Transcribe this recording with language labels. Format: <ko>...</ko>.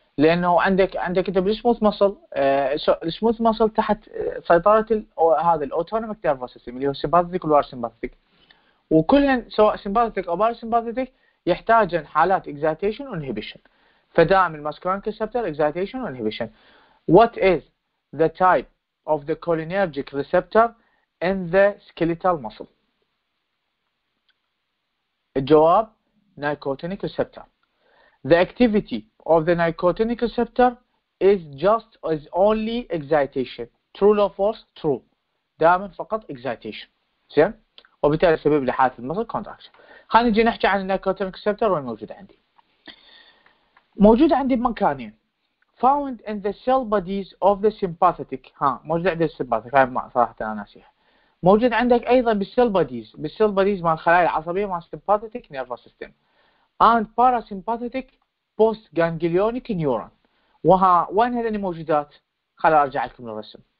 <ar>لانه عندك انت بالسموث مسل، السموث مسل تحت سيطره هذا الاوتونوميك نيرفس سيستم اللي هو سيمباثيك والبار سيمباثيك، وكلهم سواء سيمباثيك او بار سيمباثيك يحتاجن حالات اكزايتيشن وانهبيشن. فدائما الماسكرانك ريسبتر اكزايتيشن وانهبيشن.</ar> <en>What is the type of the cholinergic receptor in the skeletal muscle?</en> <ar>الجواب نيكوتينيك ريسبتر.</ar> <en>The activity of the nicotinic receptor is just as only excitation. True or false? True.</en> <ar>دائما فقط excitation. زين؟ وبالتالي سبب لحالة المصل contraction. خلينا نجي نحكي عن النيكوتينيك ريسبتر وين موجود عندي. موجود عندي بمكانين.</ar> <en>Found in the cell bodies of the sympathetic.</en> <ar>ها موجود عندي السيمباثيك. هاي ما صراحة أنا ناسيها. موجود عندك أيضا بالسيل بوديز. بالسيل بوديز مع الخلايا العصبية مع السيمباثيك nervous system.</ar> <en>And parasympathetic postganglionic neuron.</en> <ar>وها وين هذني موجودات؟ خل أرجع لكم للرسم.</ar>